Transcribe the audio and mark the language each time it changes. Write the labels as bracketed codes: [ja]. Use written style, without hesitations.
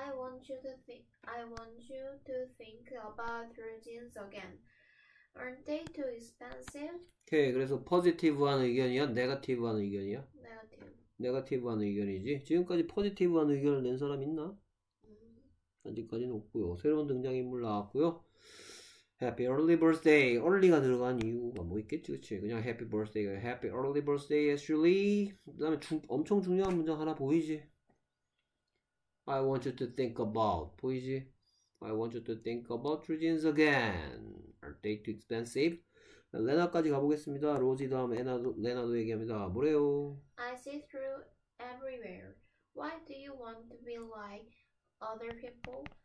[en] I want you to think about your jeans again. Aren't they too expensive? [ko] 오케이, 그래서 포지티브한 의견이야? 네거티브한 의견이야? 네거티브. 네거티브한 의견이지? 지금까지 포지티브한 의견을 낸 사람 있나? 아직까지는 없고요. 새로운 등장인물 나왔고요. [en] Happy early birthday. [ko] Early가 들어간 이유가 뭐 있겠지, 그치? 그냥 [en] Happy birthday. Happy early birthday, Ashley. [ko] 그 다음에 엄청 중요한 문장 하나 보이지? [en] I want you to think about. [ko] 보이지? [en] I want you to think about your jeans again. Are they too expensive? [ko] 레나까지 가보겠습니다. 로지 다음 레나도 얘기합니다. 뭐래요? [en] I see through everywhere. Why do you want to be like other people?